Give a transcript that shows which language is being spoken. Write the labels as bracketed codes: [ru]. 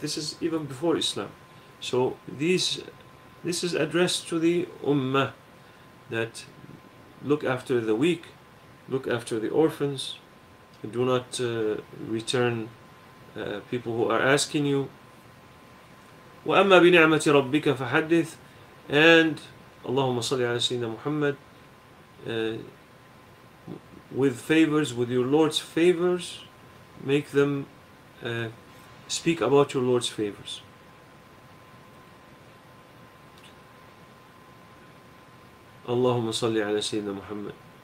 [en] This is even before Islam. So this is addressed to the Ummah, that look after the weak, look after the orphans, do not return people who are asking you. [ar] وَأَمَّا بِنِعْمَةِ رَبِّكَ فَحَدِّثْ. [en] And [ar] اللهم صل على سيدنا محمد. [en] With favors, with your Lord's favors, make them speak about your Lord's favors. [ar] اللهم صل على سيدنا محمد.